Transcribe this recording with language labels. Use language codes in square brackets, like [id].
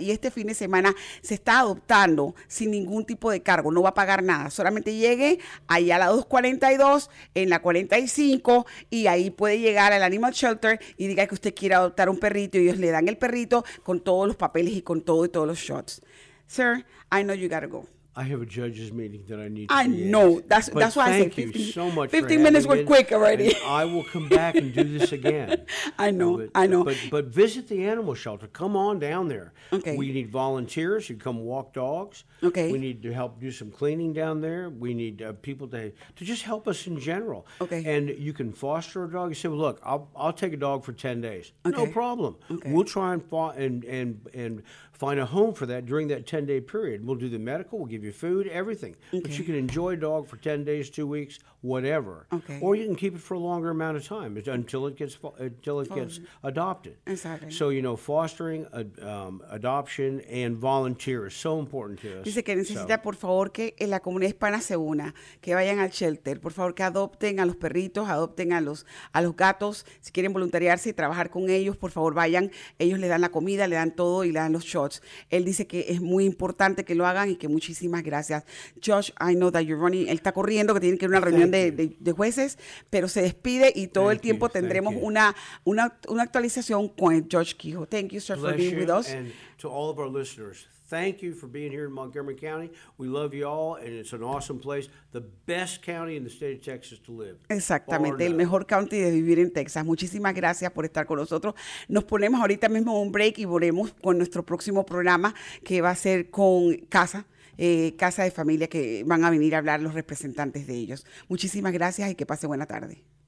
[es] Y este fin de semana se está adoptando sin ningún tipo de cargo. No va a pagar nada. Solamente llegue ahí a la 242, en la 45, y ahí puede llegar al Animal Shelter y diga que usted quiere adoptar un perrito y ellos le dan el perrito con todos los papeles y con todo y todos los shots. [en] Sir, I know you gotta go. I have a judge's meeting that I need to be in. I know. That's why I said. Thank you so much. 15 minutes were quick already. I will come back and do this again. I know. I know. But visit the animal shelter. Come on down there. Okay. We need volunteers. You come walk dogs. Okay. We need to help do some cleaning down there. We need people to just help us in general. Okay. And you can foster a dog. You say, well, look, I'll take a dog for 10 days. Okay. No problem. Okay. We'll try and find a home for that during that 10-day period. We'll do the medical. We'll give you food, everything. Okay. But you can enjoy a dog for 10 days, 2 weeks, whatever. Okay. Or you can keep it for a longer amount of time until it gets adopted. Exactly. So, you know, fostering, adoption, and volunteer is so important to us. [es] Dice que necesita, por favor, que en la comunidad hispana se una, que vayan al shelter. Por favor, que adopten a los perritos, adopten a los gatos. Si quieren voluntariarse y trabajar con ellos, por favor, vayan. Ellos le dan la comida, le dan todo y le dan los shots. Él dice que es muy importante que lo hagan y que muchísimas gracias. Josh, [en] I know that you're running. [es] Él está corriendo, que tiene que ir a una reunión de jueces, pero se despide y todo [en] Thank [es] el tiempo [en] you. [es] Tendremos una actualización con Josh Kehoe. [en] Thank you, sir, Bless for being you with us. And to all of our listeners, thank you for being here in Montgomery County. We love you all, and it's an awesome place. The best county in the state of Texas to live. [es] Exactamente, el mejor county de vivir en Texas. Muchísimas gracias por estar con nosotros. Nos ponemos ahorita mismo un break y volvemos con nuestro próximo programa, que va a ser con Casa de Familia, que van a venir a hablar los representantes de ellos. Muchísimas gracias y que pase buena tarde.